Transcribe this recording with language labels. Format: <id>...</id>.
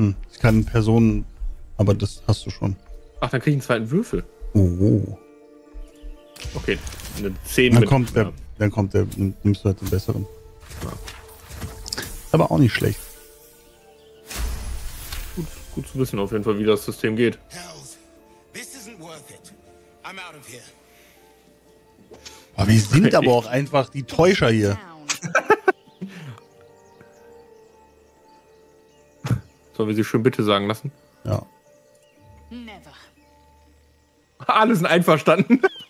<de>Ich kann Personen, aber das hast du schon. Ach, dann krieg ich einen zweiten Würfel. Oh. Okay, eine 10. Dann kommt der. Dann kommt der, nimmst du halt den besseren. Ja. Aber auch nicht schlecht. Gut, gut zu wissen auf jeden Fall, wie das System geht.</de> <en>Hells, this isn't worth it. I'm out of here.</en> <de>Boah, wir sind aber auch einfach die Täuscher hier. Sollen wir sie schön bitte sagen lassen? Ja.</de> <en>Never.</en> <de>Alle sind einverstanden.</de>